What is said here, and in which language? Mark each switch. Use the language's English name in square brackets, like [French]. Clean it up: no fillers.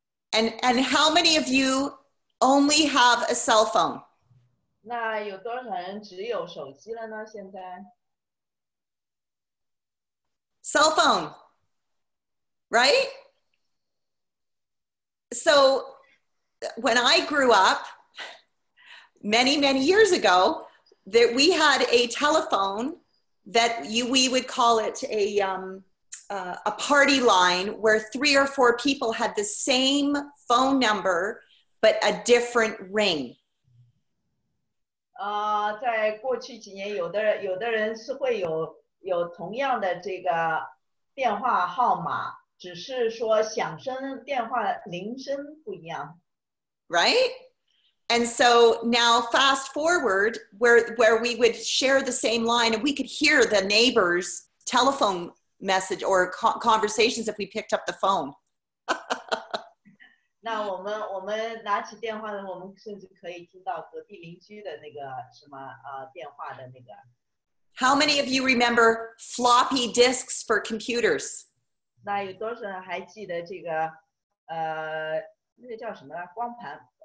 [English] And how many of you only have a cell phone? [Chinese] 那有多少人只有手机了呢？现在 [English] cell phone, right? So when I grew up, many, many years ago, that we had a telephone that we would call it a party line, where three or four people had the same phone number, but a different ring. [Chinese] 在过去几年，有的人是会有同样的这个电话号码，只是说响声电话铃声不一样。 Right? [English] And so now fast forward, where we would share the same line and we could hear the neighbor's telephone message or conversations if we picked up the phone. [Chinese] 那我们拿起电话呢，我们甚至可以听到隔壁邻居的那个什么电话的那个。 [English] How many of you remember floppy disks for computers? [Chinese] 那有多少人还记得这个那个叫什么光盘？